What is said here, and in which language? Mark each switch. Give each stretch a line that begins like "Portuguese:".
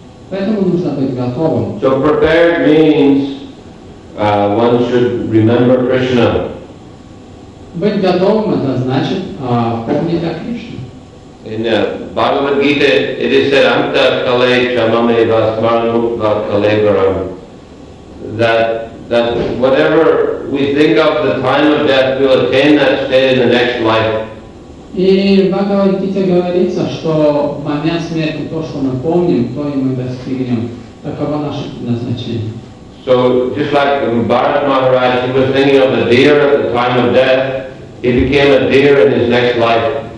Russian: Поэтому нужно быть готовым.
English: So prepared means one should remember Krishna.
Russian: Быть готовым это значит помнить о Кришне.
English: In the Bhagavad Gita it is said
Sanskrit: Amta Kale Chamame Vasmaru Vakalevaram
English: that whatever we think of the time of death, we'll attain that state in the next life.
Russian: И в Бхагавад Гите говорится, что момент смерти, то, что мы помним, то и мы достигнем. Таково наше предназначение.
English: So just like Bharat Maharaj, he was thinking of the deer at the time of death, he became a deer in his next life.